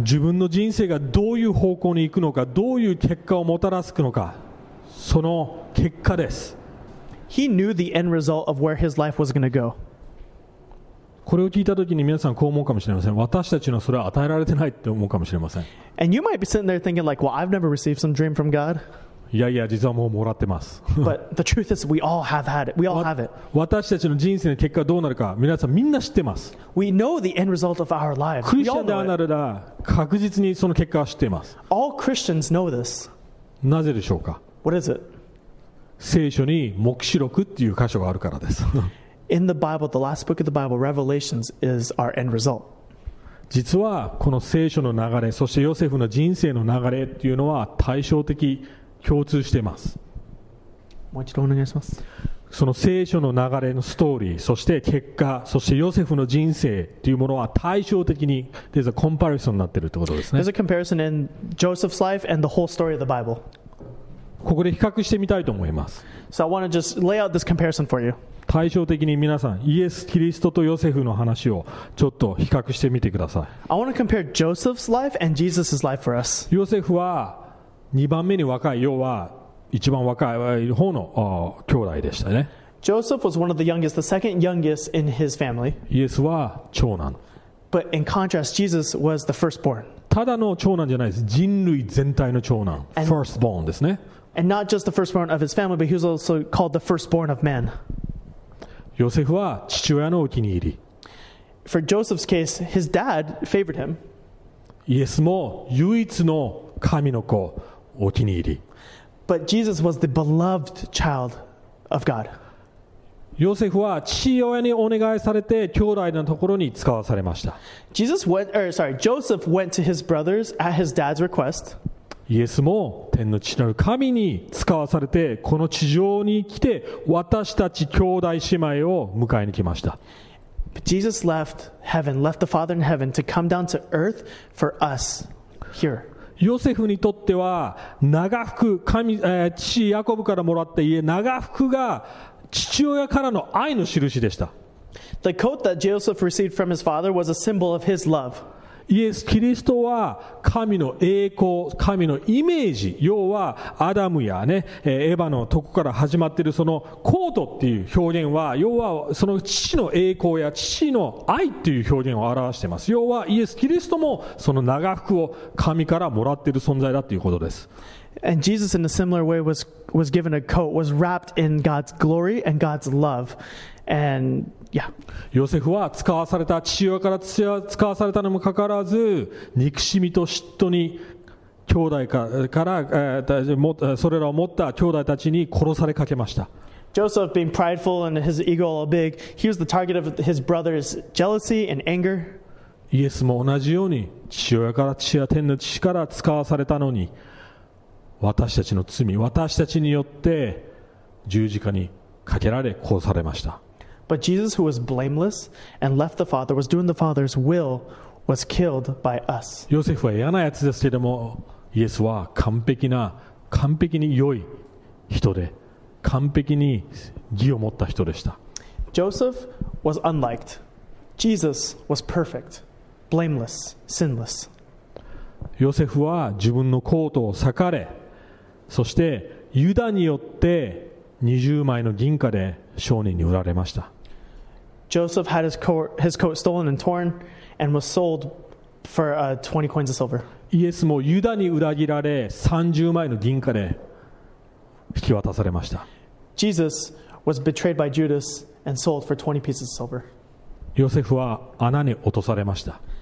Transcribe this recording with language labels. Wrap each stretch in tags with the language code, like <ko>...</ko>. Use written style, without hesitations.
<ja>自分の人生がどういう方向に行くのか、どういう結果をもたらすのか、その結果です。</ja> <en>He knew the end result of where his life was going to go.</en> <ja>これを聞いた時に皆さんこう思うかもしれません。私たちのそれは与えられてないって思うかもしれません。</ja> <en>And you might be sitting there thinking like, well, I've never received some dream from God.</en> <ja>いやいや実はもうもらってます</ja> <en>But the truth is we all have had it. We all have it.</en> <ja>私たちの人生の結果どうなるか皆さんみんな知ってます</ja> <en>We know the end result of our lives.</en> <ja>クリスチャンであるなら確実にその結果は知っています</ja> <en>All Christians know this.</en> <ja>なぜでしょうか</ja> <en>What is it?</en> <ja>聖書に黙示録っていう箇所があるからです</ja> <en>In the Bible, the last book of the Bible, Revelations is our end result.</en> <ja>実はこの聖書の流れそしてヨセフの人生の流れっていうのは対照的共通しています。もう一度お願いします。その聖書の流れのストーリー、そして結果、そしてヨセフの人生というものは対照的に、</ja> <en>there's a comparison</en> <ja>になっているということですね。</ja> <en>There's a comparison in Joseph's life and the whole story of the Bible.</en> <ja>ここで比較してみたいと思います。</ja> <en>So I want to just lay out this comparison for you.</en> <ja>対照的に皆さん、イエス・キリストとヨセフの話をちょっと比較してみてください。</ja> <en>I want to compare Joseph's life and Jesus' life for us.</en> <ja>ヨセフは2番目に若い、要は一番若い方の兄弟でしたね。</ja> <en>Joseph was one of the youngest, the second youngest in his family.</en> <ja>イエスは長男。</ja> <en>But in contrast, Jesus was the firstborn.</en> <ja>ただの長男じゃないです。人類全体の長男。</ja> <en>And, firstborn</en> <ja>ですね。</ja> <en>And not just the firstborn of his family, but he was also called the firstborn of man.</en> <ja>ヨセフは父親のお気に入り。</ja> <en>For Joseph's case, his dad favored him.</en> <ja>イエスも唯一の神の子お気に入り。</ja> <en>But Jesus was the beloved child of God.</en> <ja>ヨセフは父親にお願いされて兄弟のところに使わされました。</ja> <en>Joseph went to his brothers at his dad's request.</en> <ja>イエスも天の父なる神に使わされてこの地上に来て私たち兄弟姉妹を迎えに来ました。</ja> <en>But Jesus left heaven, left the Father in heaven to come down to earth for us here.</en> <ja>ヨセフにとっては長福神、父ヤコブからもらった家長福が父親からの愛の印でした。</ja> <en>The coat that Joseph received from his father was a symbol of his love.</en> <ja>イエス・キリストは神の栄光、神のイメージ、要はアダムやね、エヴァのとこから始まっているそのコートっていう表現は、要はその父の栄光や父の愛っていう表現を表しています。要はイエス・キリストもその長服を神からもらっている存在だということです。</ja> <en>And Jesus in a similar way was given a coat, was wrapped in God's glory and God's love. And Yeah.</en> <ja>ヨセフは使わされた父親から使わされたのもかかわらず憎しみと嫉妬に兄弟から、それらを持った兄弟たちに殺されかけました。</ja> <en>Joseph being prideful and his ego all big, he was the target of his brother's jealousy and anger.</en> <ja>イエスも同じように父親から父や天の父から使わされたのに私たちの罪、私たちによって十字架にかけられ殺されました。</ja> <en>But Jesus, who was blameless and left the Father, was doing the Father's will, was killed by us.</en> <ja>ヨセフは嫌なやつですけども、イエスは完璧に良い人で、完璧に義を持った人でした。</ja> <en>Joseph was unliked. Jesus was perfect, blameless, sinless.</en> <ja>ヨセフは自分のコートを裂かれ、そしてユダによって20枚の銀貨で商人に売られました。</ja> <en>Joseph had his coat stolen and torn and was sold for 20 coins of silver.</en> <ja>イエスもユダに裏切られ30枚の銀貨で引き渡されました。</ja> <en>Jesus was betrayed by Judas and sold for 20 pieces of silver.</en> <ja>ヨセフは穴に落とされました。</ja>